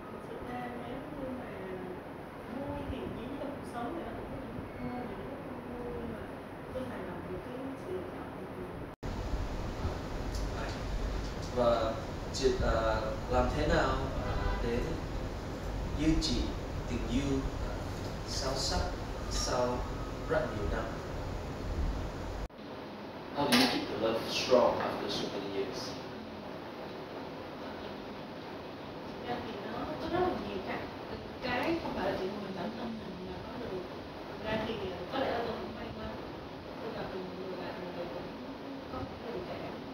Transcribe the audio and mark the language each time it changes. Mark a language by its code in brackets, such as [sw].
[vi] Thực ra nếu như mà vui thì chỉ trong cuộc sống thì nó cũng vui, những lúc vui nhưng mà tôi hài lòng với cái sự lựa chọn của mình. Và chị làm thế nào để duy trì tình yêu sâu sắc sau rất nhiều năm? [en] How do you keep the love strong after so many years? [vi] Yeah, thì nó có rất là nhiều cái không phải là chỉ một mình bản thân mình là có được. Ra thì có lẽ là tôi cũng may mắn, tôi gặp được người bạn cũng có cái tình cảm.